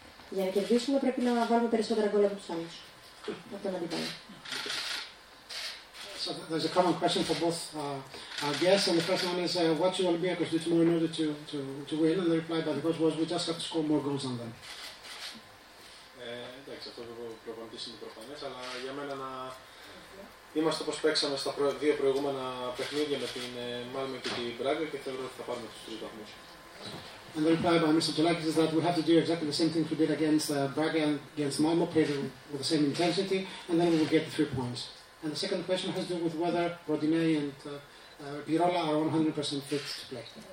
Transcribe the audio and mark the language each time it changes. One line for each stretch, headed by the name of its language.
Greek: Για να κερδίσουμε πρέπει να βάλουμε περισσότερα γκολ από τους άλλους. Από τον αντίπαλο.
English: So there's a common question for both our guests, and the first one is what should Olympiacos do tomorrow in order to win? And the reply by the coach was we just have to score more goals than them.
Greek: Εντάξει, αυτό που προπονητής είναι προφανές, αλλά για μένα να είμαστε όπως παίξαμε στα δύο προηγούμενα παιχνίδια με την Μάλμο και την Μπράγκα και θεωρώ ότι θα πάρουμε τους τρεις βαθμούς.
English: And the reply by Mr. Tolakis is that we have to do exactly the same thing we did against Braga and against Malmo, play them with the same intensity, and then we will get the 3 points. And the second question has to do with whether Rodine and Pirola are 100% fit to play.